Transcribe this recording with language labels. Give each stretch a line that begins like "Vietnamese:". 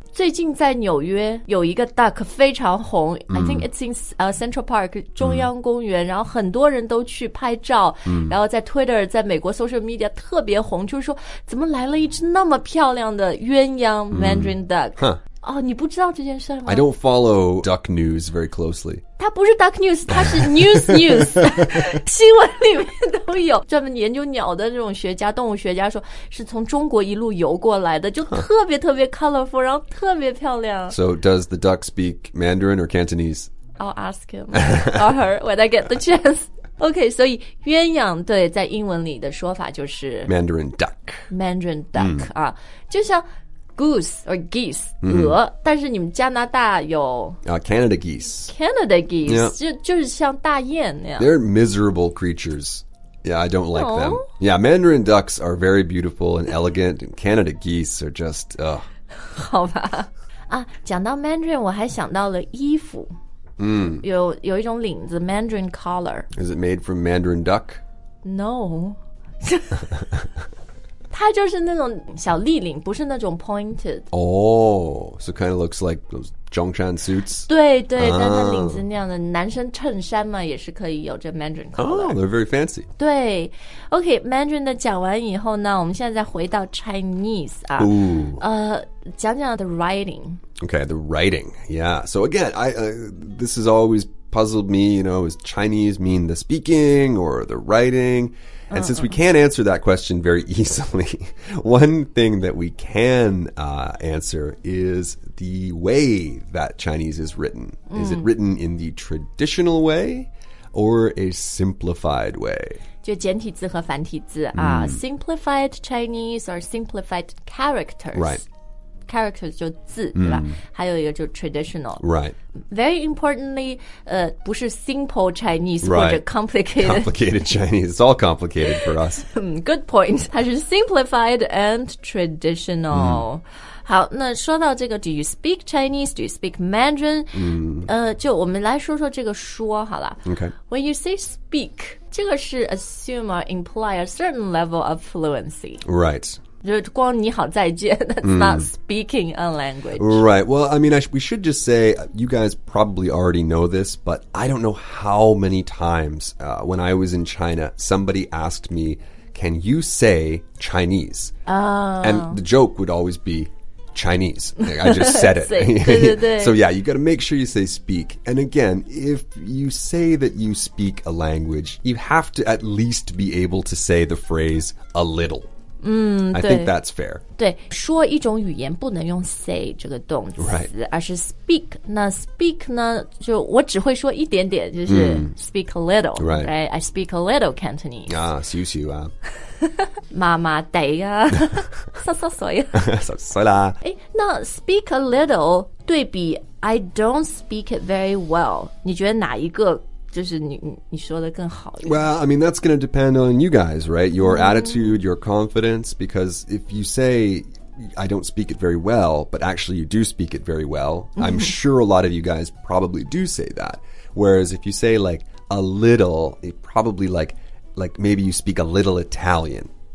Chinese: 最近在纽约有一个 duck 非常红、
English: I think it's in、
Chinese: Central Park, 中央公园、然后很多人都去拍照、然后在 Twitter, 在美国 social media 特别红就是说怎么来了一只那么漂亮的鸳鸯 Mandarin duck?、你不知道这件事吗
English: I don't follow duck news very closely.
Chinese: 它不是 duck news, 它是 news news. 新闻里面都有。专门研究鸟的这种学家动物学家说是从中国一路游过来的就特别特别 colorful, 然后特别漂亮。
English: So does the duck speak Mandarin or Cantonese? I'll ask him or her when I get the chance.
Chinese: Okay, 所以鸳鸯对在英文里的说法就是
English: Mandarin duck. Mandarin duck,、mm. 啊、就像 goose or geese,、mm.
Chinese: 鹅，但是你们加拿大有、
English: Canada geese. Canada geese,、yeah.
Chinese: 就是像大雁那样。
English: They're miserable creatures. Yeah, I don't like、oh. them. Yeah, Mandarin ducks are very beautiful and elegant, and Canada geese are just, ugh.
Chinese: 好吧。啊，讲到 Mandarin, 我还想到了衣服。 Mm. 有一种领子 Mandarin collar.
English: Is it made from Mandarin duck? No.
Chinese: 它就是那种小立领，不是那种 pointed.
English: Oh, so kind of looks like those Zhongshan suits.
Chinese: 对对、ah. 但它领子那样的男生衬衫嘛也是可以有着 Mandarin collar.
English: Oh, they're very fancy.
Chinese: 对 OK, Mandarin 的讲完以后呢，我们现在再回到 Chinese 啊。 Ooh. 讲讲 the writing.
English: Okay, the writing. Yeah. So again, this has always puzzled me, you know, is Chinese mean the speaking or the writing? And since we can't answer that question very easily, one thing that we can answer is the way that Chinese is written. Mm. Is it written in the traditional way or a simplified way?
Chinese: 就简体字和繁体字啊、mm.
English: Simplified Chinese or simplified characters. Right.
Chinese: Characters 就字、mm. 对吧还有一个就 traditional
English: Right Very importantly 不是 simple Chinese、 right.
Chinese: 或者 complicated
English: Complicated Chinese It's all complicated for us Good point 它是 simplified and traditional、mm.
Chinese: 好那说到这个
English: Do you speak Chinese? Do you speak Mandarin?、 Mm.
Chinese: 就我们来说说这个说好了
English: Okay When you say speak
Chinese: 这个是
English: assume or imply a certain level of fluency Right
Chinese: 就光你好再见
English: That's、
Chinese: mm.
English: not speaking a language Right, well, I mean, we should just say You guys probably already know this But I don't know how many times、When I was in China Somebody asked me Can you say Chinese?、 Oh. And the joke would always be Chinese I just said it
Chinese: 对对对
English: So yeah, you gotta make sure you say speak And again, if you say that you speak a language You have to at least be able to say the phrase A little 嗯、 I think that's fair.
Chinese: 对说一种语言不能用 say 这个动词、
English: right.
Chinese: 而是 speak. 那 speak 呢就我只会说一点点就是、mm.
English: speak a little. Right. right. I speak a little Cantonese.
Chinese: Ah, 羞羞啊。妈妈得啊。哈哈哈哈。哈哈哈哈。那 speak a little 对比 I don't speak it very well. 你觉得哪一个就是你说的更好一点
English: Well, I mean, that's going to depend on you guys, right? Your、mm-hmm. attitude, your confidence Because if you say I don't speak it very well But actually you do speak it very well I'm sure a lot of you guys probably do say that Whereas if you say like a little it Probably like maybe you speak a little Italian